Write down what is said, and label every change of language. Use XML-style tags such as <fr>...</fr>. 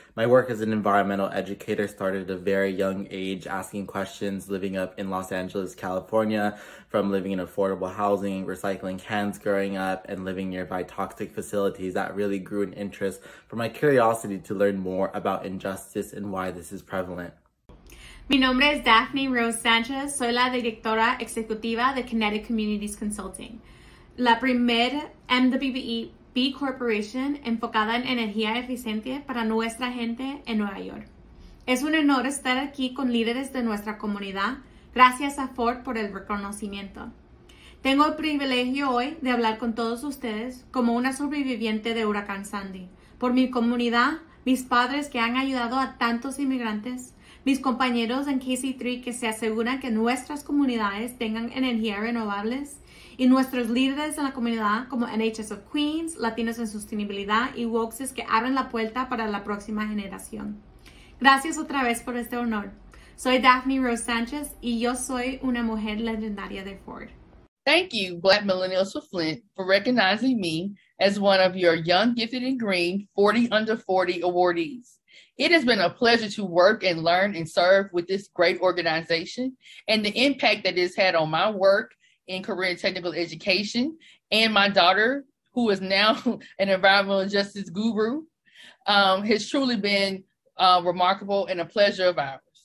<en>My work as an environmental educator started at a very young age, asking questions living up in Los Angeles, California, from living in affordable housing, recycling cans growing up, and living nearby toxic facilities. That really grew an interest for my curiosity to learn more about injustice and why this is prevalent.</en> <es>Mi nombre es Daphne Rose Sanchez. Soy la directora ejecutiva de Kinetic Communities Consulting, la primer MWBE B Corporation enfocada en energía eficiente para nuestra gente en Nueva York. Es un honor estar aquí con líderes de nuestra comunidad. Gracias a Ford por el reconocimiento. Tengo el privilegio hoy de hablar con todos ustedes como una sobreviviente de Huracán Sandy. Por mi comunidad, mis padres que han ayudado a tantos inmigrantes, mis compañeros en KC3 que se aseguran que nuestras comunidades tengan energía renovables, y nuestros líderes en la comunidad como NHS of Queens, Latinos en Sostenibilidad y Woxes que abren la puerta para la próxima generación. Gracias otra vez por este honor. Soy Daphne Rose Sanchez y yo soy una mujer legendaria de Ford.</es> <en>Thank you, Black Millennials of Flint, for recognizing me as one of your Young, Gifted, and Green 40 Under 40 awardees. It has been a pleasure to work and learn and serve with this great organization and the impact that it's had on my work in career and technical education and my daughter, who is now an environmental justice guru, has truly been remarkable and a pleasure of ours.</en>